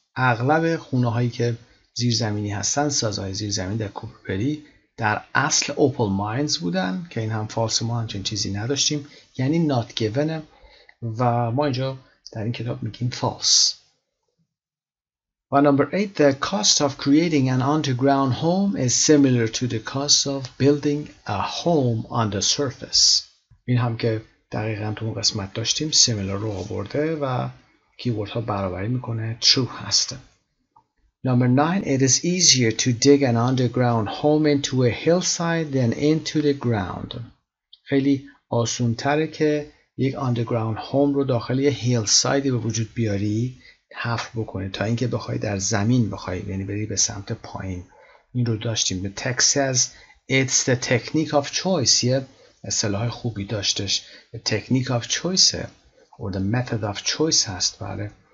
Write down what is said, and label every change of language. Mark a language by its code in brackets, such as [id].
[fa] اغلب خونه هایی که زیرزمینی هستن، سازهای زیرزمینی در کوپر پدی در اصل اوپل ماینز بودن، که این هم فالس، ما همچنین چیزی نداشتیم، یعنی نات گیون، و ما اینجا در این کتاب میگیم فالس. [en] Number 8. The cost of creating an underground home is similar to the cost of building a home on the surface. [fa] این هم که دقیقا تو اون قسمت داشتیم سیمیلر رو آورده و کیورد ها برابری میکنه، true هستن. [en] Number 9. It is easier to dig an underground home into a hillside than into the ground. [fa] خیلی آسونتره که یک underground home رو داخل یه hillside به وجود بیاری، حفر بکنی، تا اینکه بخوای در زمین بخوای، یعنی بری به سمت پایین. [en] این رو داشتیم به Texas. It's the technique of choice. یه اصطلاح خوبی داشتش. The technique of choice or the method of choice هست. بله.